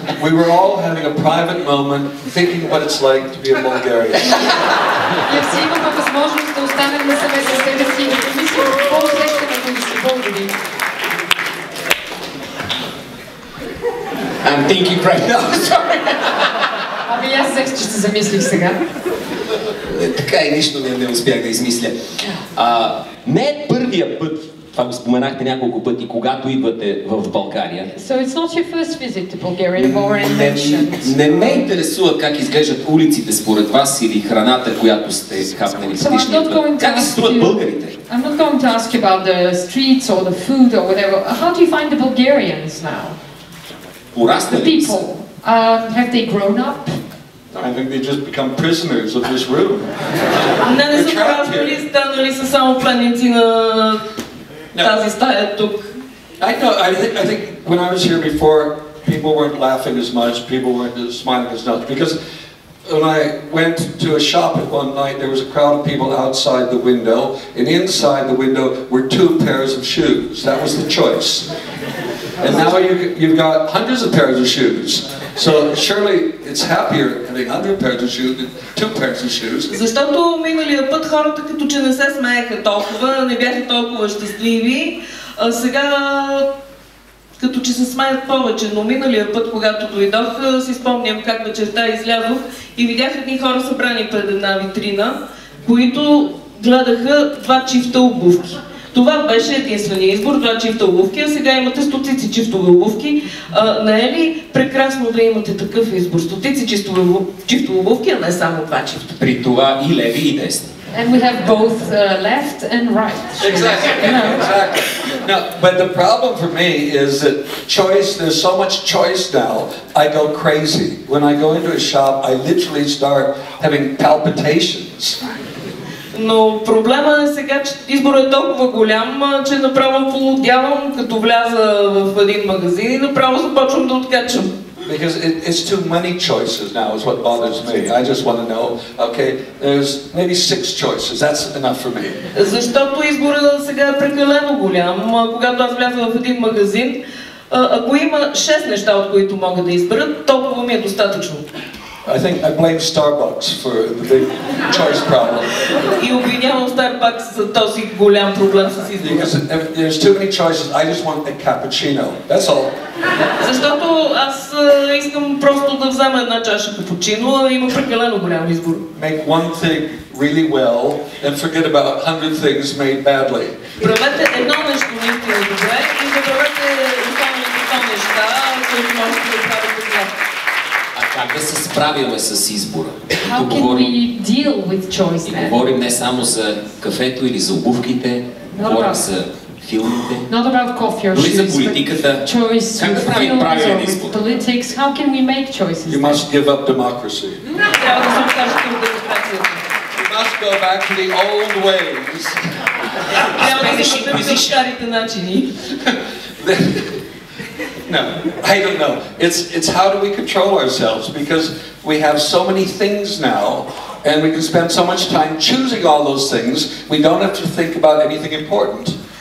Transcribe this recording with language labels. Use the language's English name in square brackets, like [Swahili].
[English] We were all having a private moment thinking what it's like to be a Bulgarian. [Bulgarian] И все имаме възможност да останем на себе със себе си. Мисля, какво усещаме, които си българи. [English] I'm thinking right now, sorry. [Bulgarian] Ами аз сега, че се замислих сега. Така и нищо не успях да измисля. Не е първия път, това го споменахте няколко пъти, когато идвате в България. [English] So it's not your first visit to Bulgaria, more mentioned. [Bulgarian] Не ме интересува как изглеждат улиците според вас или храната, която сте хапнали предишния път. Как се чувстват българите? [English] I'm not going to ask you about the streets or the food or whatever. How do you find the Bulgarians now? [Bulgarian] Пораснали ли? [English] The people. Have they grown up? I think they just become prisoners of this room. [Bulgarian] Не, не са пораснали, станали са само пленници на тази стая тук. [English] I know, I think when I was here before, people weren't laughing as much, people weren't smiling as much, because when I went to a shop at one night, there was a crowd of people outside the window, and inside the window were two pairs of shoes. That was the choice. And now you've got hundreds of pairs of shoes. So surely it's happier having 100 pairs of shoes than 2 pairs of shoes. [Bulgarian] Защото миналия път хората като че не се смееха толкова, не бяха толкова щастливи, а сега като че се смеят повече, но миналия път, когато дойдох, си спомням как вечерта излязох и видях едни хора събрани пред една витрина, които гледаха два чифта обувки. Това беше единствения избор, два чифта обувки, а сега имате стотици чифтове обувки. Не е ли прекрасно да имате такъв избор? Стотици чифтове обувки, а не само два чифта. При това и леви, и десни. [English] And we have both left and right. Exactly. You know? Exactly. Now, but the problem for me is that choice, there's so much choice now, I go crazy. When I go into a shop, I literally start having palpitations. [Bulgarian] Но проблема е сега, че изборът е толкова голям, че направо полудявам, като вляза в един магазин и направо започвам да откачам. [English] Because it's too many choices now is what bothers me. I just want to know, okay, there's maybe 6 choices. That's enough for me. [Bulgarian] Защото изборът сега е прекалено голям. Когато аз влязвам в един магазин, ако има 6 неща, от които мога да избера, толкова ми е достатъчно. [English] I think I blame Starbucks for the big choice problem. [Bulgarian] И обвинявам Starbucks за този голям проблем с избора. [English] Because there's too many choices. I just want a cappuccino. That's all. [Bulgarian] Защото аз искам просто да взема една чаша капучино, а има прекалено голям избор. [English] Make one thing really well and forget about 100 things made badly. [Bulgarian] Правете едно нещо наистина добре и забравете останалите неща, които можете да правите зле. Как да се справим с избора? [English] How can we deal with choice, then? [Bulgarian] И говорим не само за кафето или за обувките, говорим за филмите. [English] Not about coffee or shoes, but choice. [Bulgarian] Как да правим правилен избор? [English] Politics. How can we make choices? You must give up democracy. You must go back to the old ways. [Bulgarian] Трябва да се върнем към старите начини. [English] No, I don't know. It's how do we control ourselves because we have so many things now and we can spend so much time choosing all those things, we don't have to think about anything important.